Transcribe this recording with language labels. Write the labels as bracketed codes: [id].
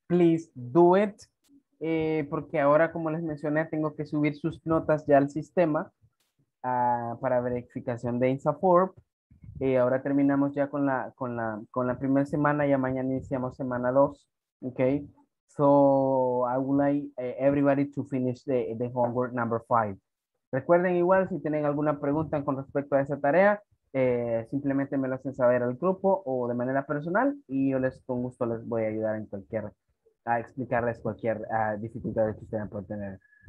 [en] Please do it, [es] porque ahora, como les mencioné, tengo que subir sus notas ya al sistema para verificación de INSAFORP. Ahora terminamos ya con la primera semana, ya mañana iniciamos semana 2, ¿ok? [en] So, I would like everybody to finish the homework number 5. [es] Recuerden igual, si tienen alguna pregunta con respecto a esa tarea, simplemente me la hacen saber al grupo o de manera personal, y yo les, con gusto, les voy a ayudar en cualquier, a explicarles cualquier dificultad que ustedes puedan tener.